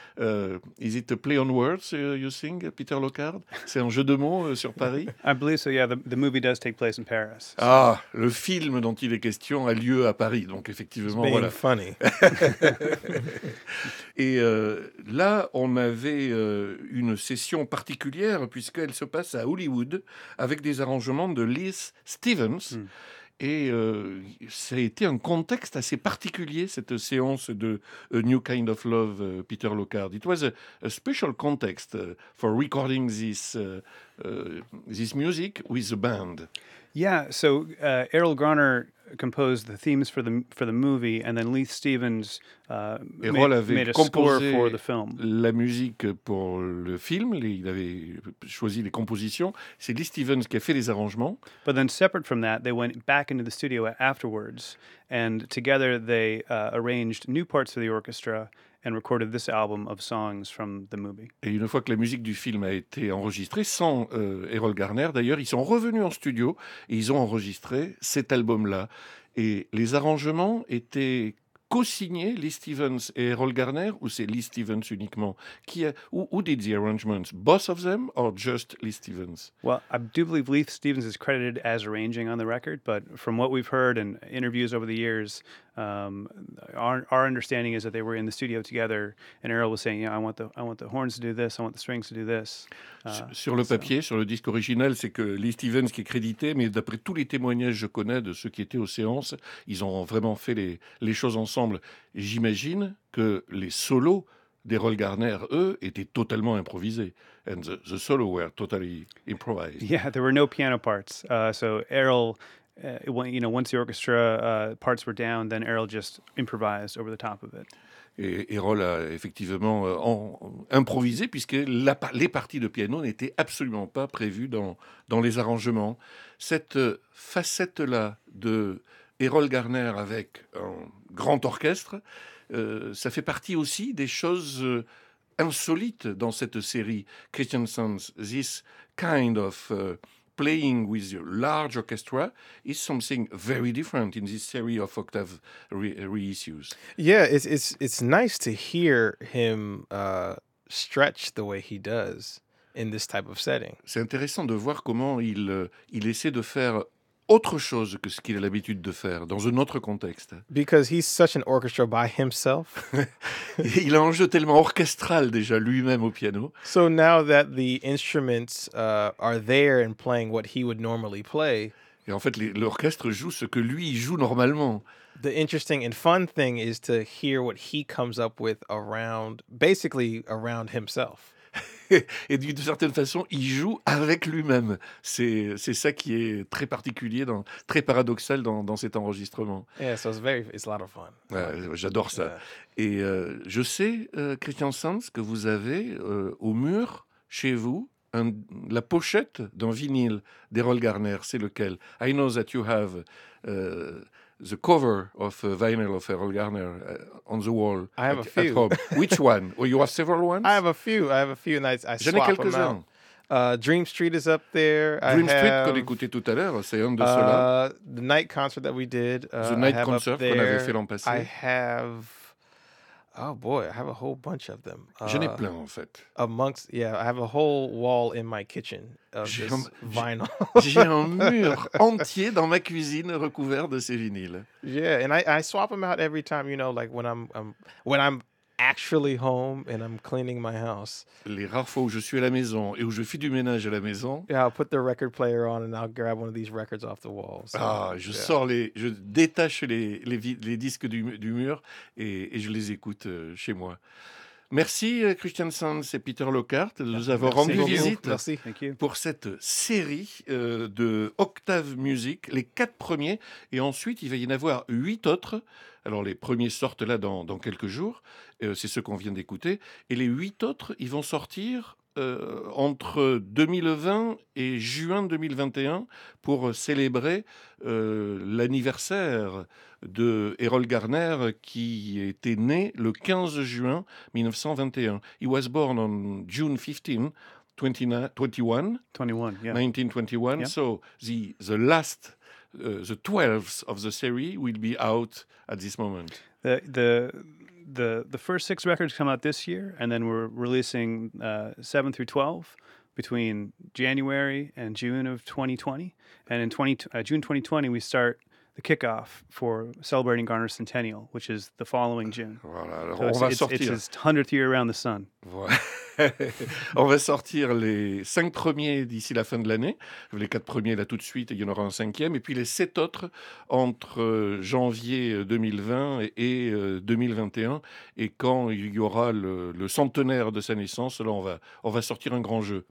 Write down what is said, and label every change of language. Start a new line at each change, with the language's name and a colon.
English: Is it a play on words, you think, Peter Locard?
French: C'est un jeu de mots sur Paris?
English: I believe so, yeah, the movie does take place in Paris. So.
French: Ah, le film dont il est question a lieu à Paris, donc effectivement,
English: it's
French: voilà.
English: It's funny.
French: Et là, on avait une session particulière, puisqu'elle se passe à Hollywood, avec des arrangements de Liz Stevens. Mm. Et ça a été un contexte assez particulier, cette séance de A New Kind of Love, Peter Locard.
English: It was a special context for recording this this music with the band. Yeah, so Errol Garner composed the themes for the movie, and then Leith Stevens made a score for the film.
French: La musique pour le film, il avait choisi les compositions. C'est Leith Stevens qui a fait les arrangements.
English: But then, separate from that, they went back into the studio afterwards, and together they arranged new parts of the orchestra and recorded this album of songs from the movie.
French: Et une fois que la musique du film a été enregistrée, sans Errol Garner d'ailleurs, ils sont revenus en studio et ils ont enregistré cet album-là. Et les arrangements étaient co-signés, Leith Stevens et Errol Garner, ou c'est Leith Stevens uniquement qui a,
English: who did the arrangements? Both of them or just Leith Stevens? Well, I do believe Leith Stevens is credited as arranging on the record, but from what we've heard in interviews over the years, our understanding is that they were in the studio together, and Errol was saying, "Yeah, I want the horns to do this, I want the strings to do this."
French: Sur le papier, sur le disque original, c'est que Leith Stevens qui est crédité, mais d'après tous les témoignages que je connais de ceux qui étaient aux séances, ils ont vraiment fait les choses ensemble. J'imagine que les solos d'Errol Garner, eux, étaient totalement improvisés.
English: And the solo were totally improvised. Yeah, there were no piano parts. So Errol. You know, once the orchestra parts were down, then Errol just improvised over the top of it.
French: Et Errol a effectivement improvisé puisque les parties de piano n'étaient absolument pas prévues dans les arrangements. Cette facette-là de Errol Garner avec un grand orchestre, ça fait partie aussi des choses insolites dans cette série Christensen's.
English: This kind of playing with a large orchestra is something very different in this series of Octave reissues. Yeah, it's nice to hear him stretch the way he does in this type of setting.
French: C'est intéressant de voir comment il essaie de faire autre chose que ce qu'il a l'habitude de faire dans un autre contexte.
English: Because he's such an orchestra by himself.
French: Il a un jeu tellement orchestral déjà lui-même au piano.
English: So now that the instruments are there and playing what he would normally play.
French: Et en fait, l'orchestre joue ce que lui joue normalement.
English: The interesting and fun thing is to hear what he comes up with around, basically around himself.
French: Et d'une certaine façon, il joue avec lui-même. C'est ça qui est très particulier, très paradoxal dans cet enregistrement.
English: Yeah, so it's a lot of fun.
French: Ouais, j'adore ça. Yeah. Et je sais, Christian Sands, que vous avez au mur, chez vous, la pochette d'un vinyle d'Errol Garner. C'est lequel?
English: I know that you have the cover of a vinyl of Errol Garner on the wall. I have a few. At home. Which one? Well, you have several ones? I have a few, and I swap them out.
French: J'en ai quelques-uns.
English: Dream Street is up there. Dream I have,
French: Street, qu'on écoutait tout à l'heure, c'est un de ceux-là.
English: The Night Concert that we did.
French: The Night Concert qu'on avait fait l'an passé.
English: I have, oh boy, I have a whole bunch of them.
French: J'en ai plein, en fait.
English: Amongst, yeah, I have a whole wall in my kitchen. Vinyl.
French: J'ai un mur entier dans ma cuisine recouvert de ces vinyles.
English: Yeah, and I swap them out every time, you know, like when I'm actually home and I'm cleaning my house.
French: Les rares fois où je suis à la maison et où je fais du ménage à la maison.
English: Yeah, I'll put the record player on and I'll grab one of these records off the walls. So, ah, je yeah.
French: sors les, je détache les disques du mur et je les écoute chez moi. Merci Christian Sands et Peter Locard de nous avoir Merci. Rendu visite Merci. Pour cette série de Octave Music, les quatre premiers, et ensuite il va y en avoir 8 autres. Alors les premiers sortent là dans quelques jours, c'est ce qu'on vient d'écouter, et les 8 autres, ils vont sortir entre 2020 et juin 2021 pour célébrer l'anniversaire de Errol Garner, qui était né le 15 juin 1921.
English: He was born on June 15, 1921. So the last, the 12th of the series will be out at this moment. The first six records come out this year, and then we're releasing 7 through 12 between January and June of 2020. And in June 2020, we start the kickoff for celebrating Garner's centennial, which is the following June.
French: Voilà, alors on va sortir.
English: It's his 100th year around the sun.
French: Voilà. On va sortir les cinq premiers d'ici la fin de l'année. Les quatre premiers, là, tout de suite, il y en aura un cinquième. Et puis les sept autres entre janvier 2020 et 2021. Et quand il y aura le centenaire de sa naissance, là, on va sortir un grand jeu.